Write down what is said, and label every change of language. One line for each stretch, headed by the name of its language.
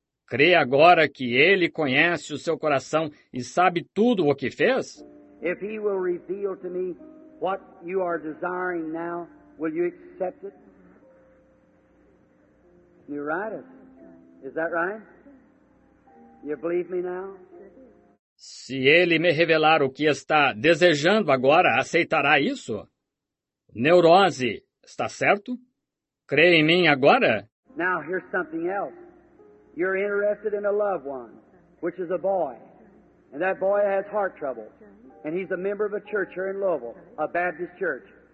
Portuguese: crê agora que Ele conhece o seu coração e sabe tudo o que fez?
English: If He will reveal to me what you are desiring now, will you accept it? You write it. Is that right? You believe me now?
Portuguese: Se Ele me revelar o que está desejando agora, aceitará isso? Neurose, está certo? Crê em mim agora?
English: Now, here's something else. You're interested in a loved one, which is a boy. And that boy has heart trouble. And he's a member of a church here in Louisville, a Baptist church.